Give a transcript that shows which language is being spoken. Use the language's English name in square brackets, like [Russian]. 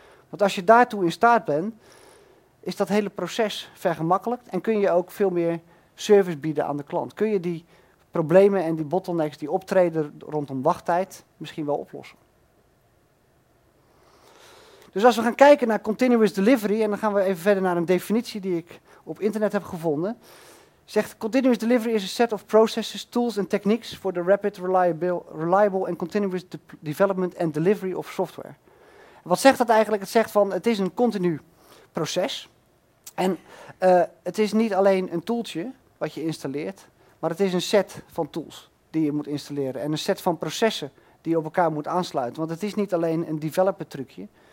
[Dutch] Want als je daartoe in staat bent, is dat hele proces vergemakkelijkt en kun je ook veel meer service bieden aan de klant. Kun je die problemen en die bottlenecks die optreden rondom wachttijd misschien wel oplossen. Dus als we gaan kijken naar continuous delivery, en dan gaan we even verder naar een definitie die ik op internet heb gevonden. [English] Zegt, continuous delivery is a set of processes, tools and techniques for the rapid, reliable and continuous development and delivery of software. [Dutch] Wat zegt dat eigenlijk? Het zegt van, het is een continu proces. En het is niet alleen een tooltje wat je installeert, maar het is een set van tools die je moet installeren. En een set van processen die je op elkaar moet aansluiten. Want het is niet alleen een developer trucje.